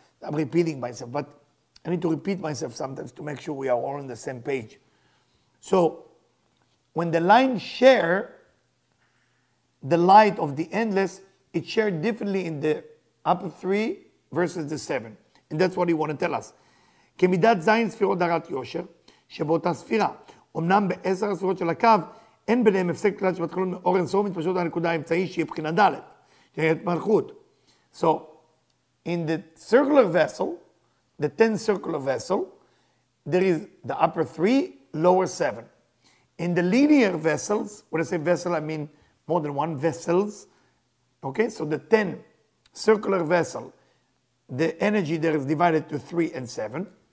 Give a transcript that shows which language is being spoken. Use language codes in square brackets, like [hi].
[en] I'm repeating myself, but I need to repeat myself sometimes to make sure we are all on the same page. So when the line share the light of the endless, it shared differently in the upper three versus the seven. And that's what he wanted to tell us. [he] Kemidat zayin sfirot darat yosher, shebotah sfira, omnam be'ezer sfirot shel hakav, אין ביניהם הפסק כלל שמתחילות מאור אינסוף מתפשטות הנקודה האמצעי שהיא בחינה ד' שהיית מלכות. [en] So, in the circular vessel, the 10 circular vessel, there is the upper 3, lower 7. In the linear vessels, when I say vessel, I mean more than one vessels. Okay, so the 10 circular vessel, the energy there is divided to 3 and 7.